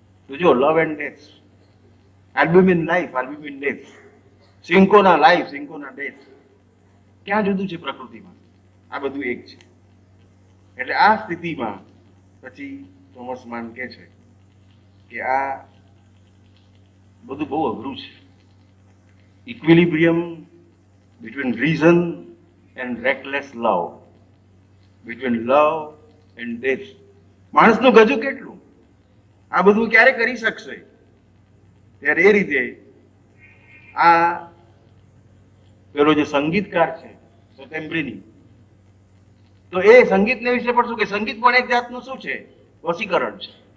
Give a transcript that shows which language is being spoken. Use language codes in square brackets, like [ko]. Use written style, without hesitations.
[gu] તો જો [en] love and death, [gu] albumin life, albumin death, સિંકોના life, સિંકોના death, ક્યાં જુદું છે પ્રકૃતિમાં? આ બધું એક છે. એટલે આ સ્થિતિમાં પછી થોમસ માન કહે છે કે આ બધું બહુ અઘરું છે. Equilibrium [en] between reason and reckless love, between love and death. [gu] માણસનું ગજુ કેટલું આ બધું ક્યારે કરી શકશે? ત્યારે એ રીતે આ પેલો જે સંગીતકાર છે સ્વતંત્રની, તો એ સંગીતને વિશે પણ શું કે, સંગીત પણ એક જાતનું શું છે, વશીકરણ છે.